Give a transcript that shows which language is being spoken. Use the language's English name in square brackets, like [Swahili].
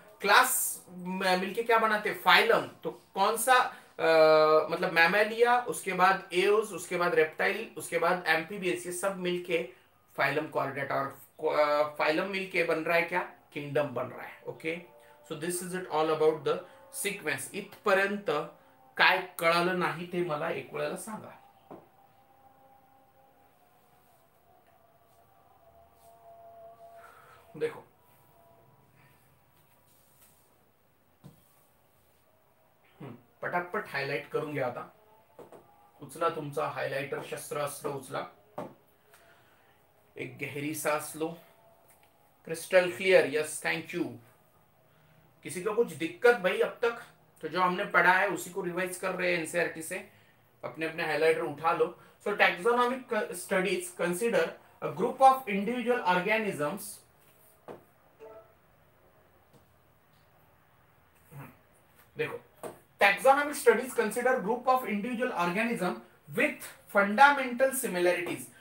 [Hindi] Class मिलके क्या बनाते, फाइलम. तो कौन सा मतलब मैमेलिया, उसके बाद एव्स, उसके बाद रेप्टाइल, उसके बाद एम्फीबियंस, ये सब मिलके फाइलम कॉर्डेटा, और फाइलम मिलके बन रहा है क्या, किंगडम बन रहा है. [English] Okay, so this is it all about the sequence. [Marathi] इथपर्यंत काय कळालं नाही ते मला एक वेळेला सांगा. देखो पटापट हायलाइट करून घ्या, आता उचला तुमचा हायलाइटर, शस्त्र अस्त्र उचला, [Hindi] एक गहरी सांस लो, [Marathi] crystal clear. [English] Yes, thank you. [Hindi] किसी को कुछ दिक्कत भाई अब तक, तो जो हमने पढ़ा है उसी को रिवाइज कर रहे हैं एनसीईआरटी से, अपने अपने हाइलाइटर उठा लो. [English] So taxonomic studies consider a group of individual organisms देखो taxonomic studies consider group of individual organism with fundamental similarities.